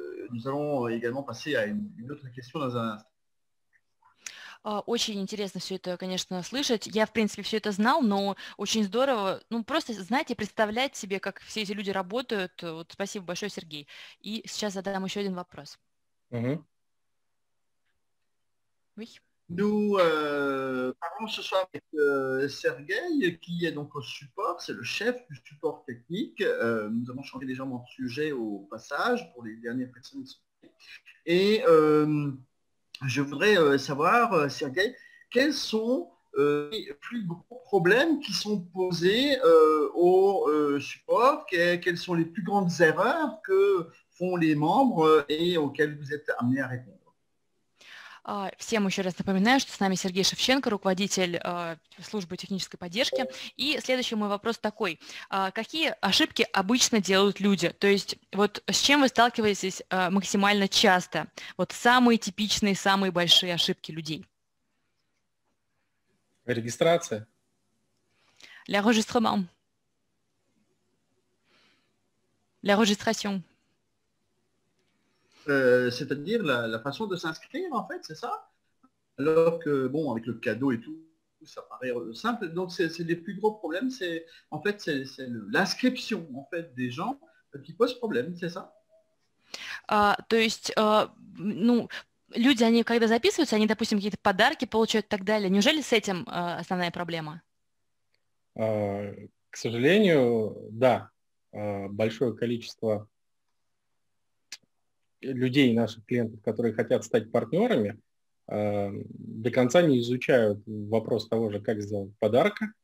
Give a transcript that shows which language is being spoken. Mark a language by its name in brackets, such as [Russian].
[French] Nous allons également passer à une autre question dans un instant. [Russian] Очень интересно все это, конечно, слышать. Я, в принципе, все это знал, но очень здорово, ну, просто, знаете, представлять себе, как все эти люди работают. Вот, спасибо большое, Сергей. И сейчас задам еще один вопрос. [French] Oui. Nous parlons ce soir avec Sergueï, qui est donc au support, c'est le chef du support technique. Nous avons changé légèrement de sujet au passage pour les dernières personnes. Et je voudrais savoir, Sergueï, quels sont les plus gros problèmes qui sont posés au support, quelles sont les plus grandes erreurs que font les membres et auxquelles vous êtes amenés à répondre. [Russian] Всем еще раз напоминаю, что с нами Сергей Шевченко, руководитель службы технической поддержки. И следующий мой вопрос такой. Какие ошибки обычно делают люди? То есть вот с чем вы сталкиваетесь максимально часто? Вот самые типичные, самые большие ошибки людей? Регистрация. [French] L'enregistrement. L'enregistration. C'est-à-dire la façon de s'inscrire, en fait, c'est ça? Alors que, bon, avec le cadeau et tout, ça paraît simple. Donc, c'est les plus gros problèmes, c'est en fait, c'est l'inscription, en fait, des gens qui posent problème, c'est ça? [Russian] Люди, они когда записываются, они, допустим, какие-то подарки получают и так далее. Неужели с этим основная проблема? К сожалению, да. Большое количество людей, наших клиентов, которые хотят стать партнерами, до конца не изучают вопрос того же, как сделать подарок.